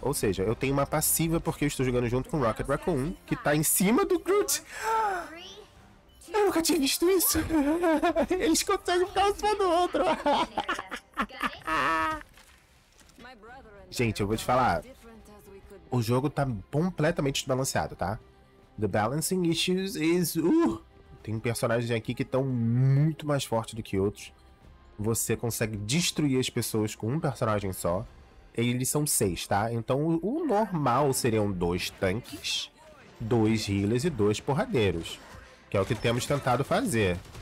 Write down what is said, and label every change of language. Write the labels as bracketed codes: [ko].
[pt] Ou seja, eu tenho uma passiva porque eu estou jogando junto com o Rocket Raccoon, que tá em cima do Groot. Eu nunca tinha visto isso. Eles conseguem ficar um em cima do outro. Gente, eu vou te falar. O jogo tá completamente desbalanceado, tá? [en] The balancing issues is. [pt] Tem personagens aqui que estão muito mais fortes do que outros. Você consegue destruir as pessoas com um personagem só. Eles são seis, tá? Então o normal seriam dois tanques, dois healers e dois porradeiros, que é o que temos tentado fazer.